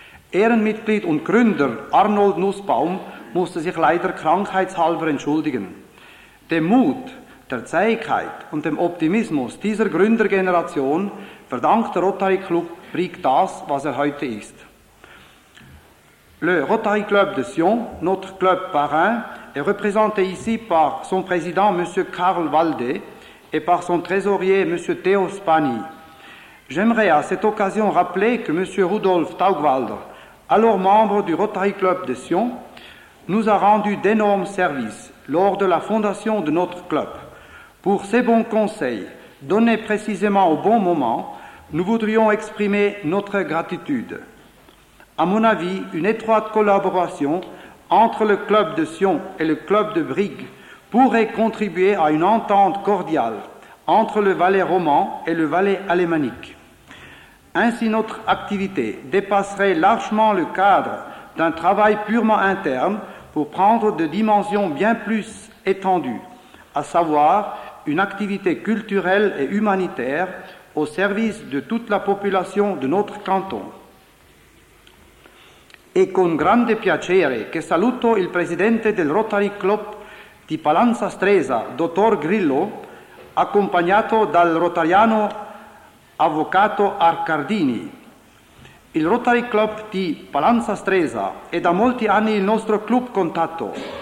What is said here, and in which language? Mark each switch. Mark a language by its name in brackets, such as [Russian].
[German] Ehrenmitglied und Gründer Arnold Nussbaum musste sich leider krankheitshalber entschuldigen. Dem Mut, der Zähigkeit und dem Optimismus dieser Gründergeneration verdankt der Rotary Club Brick das, was er heute ist. [French] Le Rotary Club de Sion, notre club parrain, est représenté ici par son président M. Karl Walde et par son trésorier M. Theo Spani. J'aimerais à cette occasion rappeler que M. Rudolf Taugwalder, alors membre du Rotary Club de Sion, nous a rendu d'énormes services lors de la fondation de notre club. Pour ces bons conseils, donnés précisément au bon moment, nous voudrions exprimer notre gratitude. À mon avis, une étroite collaboration entre le club de Sion et le club de Brigg pourrait contribuer à une entente cordiale entre le Valais roman et le Valais alémanique. Ainsi, notre activité dépasserait largement le cadre d'un travail purement interne pour prendre des dimensions bien plus étendues, à savoir une activité culturelle et humanitaire au service de toute la population de notre canton. [Italian] E con grande piacere che saluto il presidente del Rotary Club di Palanza Stresa, dottor Grillo, accompagnato dal rotariano avvocato Arcardini. Il Rotary Club di Palanza Stresa è da molti anni il nostro club contatto.